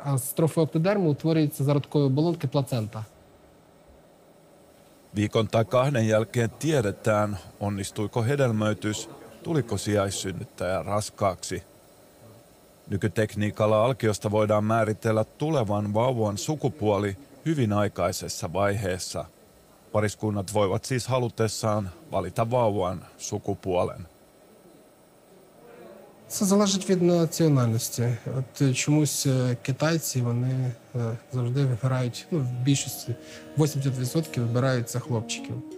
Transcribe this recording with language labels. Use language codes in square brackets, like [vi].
[uk] А з трофоектодерму утворюється зародкові оболонки плацента. [fi] Viikon tai 2 jälkeen tiedetään, onnistuiko hedelmöitys, tuliko sijaissynnyttäjä raskaaksi. Nykytekniikalla alkiosta voidaan määritellä tulevan vauvan sukupuoli hyvin aikaisessa vaiheessa. Pariskunnat voivat siis halutessaan valita vauvan sukupuolen. [uk] Se залежить від національності. От чомусь китайці, вони завжди вибирають, ну, в більшості 80% вибираються хлопчиків.